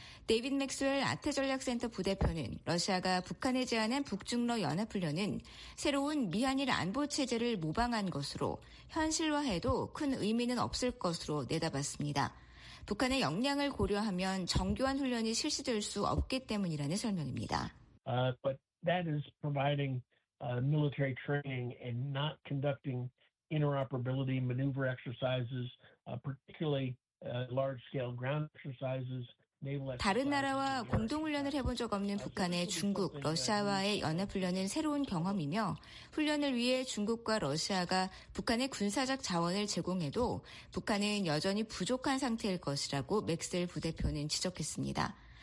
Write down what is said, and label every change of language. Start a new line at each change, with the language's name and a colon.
Korean: 데이빗 맥스웰 아태전략센터 부대표는 러시아가 북한에 제안한 북중러 연합훈련은 새로운 미한일 안보체제를 모방한 것으로 현실화해도 큰 의미는 없을 것으로 내다봤습니다. 북한의 역량을 고려하면 정교한 훈련이 실시될 수 없기 때문이라는 설명입니다.
English: But that is providing military training and not conducting interoperability maneuver exercises, particularly large-scale ground exercises.
Korean: 다른 나라와 공동훈련을 해본 적 없는 북한의 중국, 러시아와의 연합훈련은 새로운 경험이며 훈련을 위해 중국과 러시아가 북한의 군사적 자원을 제공해도 북한은 여전히 부족한 상태일 것이라고 맥셀 부대표는 지적했습니다.